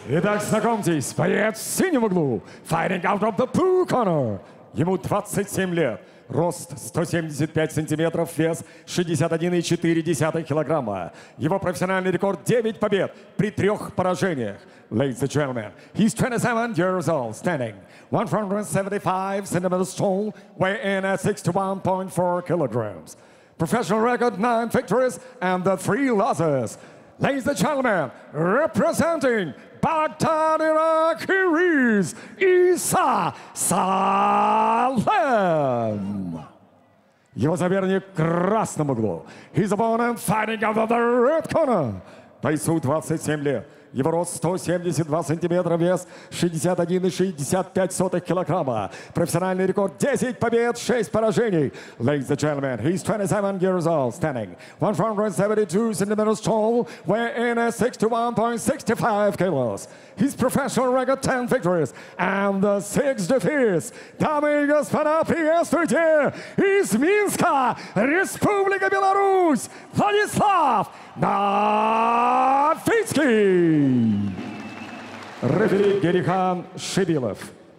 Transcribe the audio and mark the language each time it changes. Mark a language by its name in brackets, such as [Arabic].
[Russian] Итак, знакомьтесь, боец в синем углу. [English] Fighting out of the blue corner. [Russian] Ему 27 лет. Рост 175 сантиметров, вес 61,4 килограмма. Его профессиональный рекорд 9 побед при 3 поражениях. [English] Ladies and gentlemen, he's 27 years old, standing 175 centimeters tall, weighing at 61.4 kilograms. Professional record 9 victories and the 3 losses. Ladies and gentlemen, representing Baghdad, Iraq, here is Иса Салем. [Russian] Его соперник в красном углу. [English] His opponent fighting out of the red corner. [Russian] Бойцу 27 лет. Его рост 172 сантиметра, вес 61,65 килограмма. Профессиональный рекорд 10 побед, 6 поражений. [English] Ladies and gentlemen, he's 27 years old, standing 172 centimeters tall, weighing at 61.65 kilos. His professional record 10 victories and the 6 defeats. [Russian] Дамы и господа, приветствуйте из Минска, Республика Беларусь, Владислав Нафицкий! Рефери Герихан Шибилов.